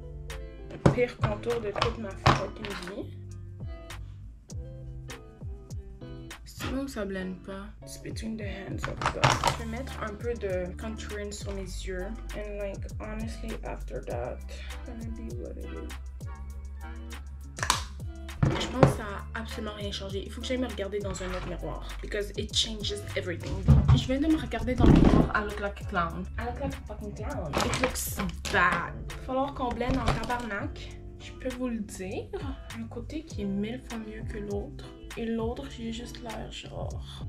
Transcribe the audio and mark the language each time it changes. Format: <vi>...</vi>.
<fr>Le pire contour de toute ma fucking vie. Non, ça blende pas.</fr> <en>It's between the hands of God.</en> <fr>Je vais mettre un peu de contouring sur mes yeux.</fr> <en>And like, honestly, after that, gonna be what it is.</en> <fr>Je pense que ça a absolument rien changé. Il faut que j'aille me regarder dans un autre miroir.</fr> <en>Because it changes everything.</en> <fr>Je viens de me regarder dans le miroir.</fr> <en>I look like a clown. I look like a fucking clown. It looks bad.</en> <fr>Falloir qu'on blende en tabarnak. Je peux vous le dire. Un côté qui est mille fois mieux que l'autre. Et l'autre, j'ai juste l'air genre...</fr>